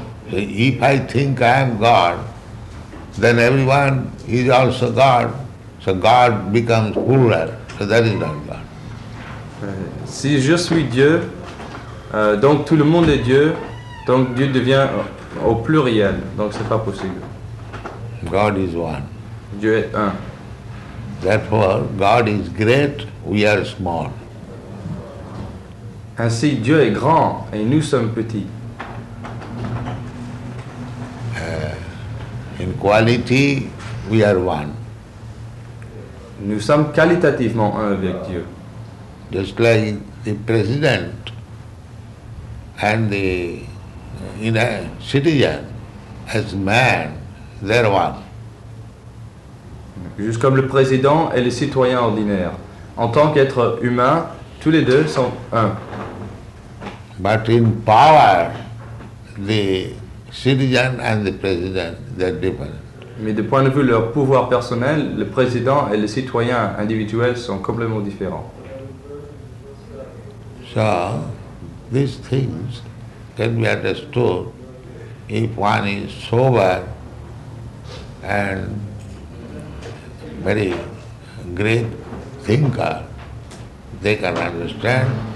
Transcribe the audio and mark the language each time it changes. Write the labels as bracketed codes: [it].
[en] So if I think I am God, then everyone is also God. So God becomes plural. So that is not God. [fr] Si je suis Dieu, donc tout le monde est Dieu, donc Dieu devient au pluriel. Donc c'est pas possible. [en] God is one. [fr] Dieu est un. [en] Therefore, God is great, we are small. [fr] Ainsi, Dieu est grand et nous sommes petits. [en] In quality, we are one. [fr] Nous sommes qualitativement un avec Dieu. [en] Just like the president and the citizen, as man, they're one. [fr] Juste comme le président et le citoyen ordinaire. En tant qu'être humain, tous les deux sont un. [en] But in power, the citizen and the president, they're different. [fr] Mais de point de vue de leur pouvoir personnel, le président et le citoyen individuel sont complètement différents. [en] So, these things can be understood if one is sober and very great thinker, they can understand.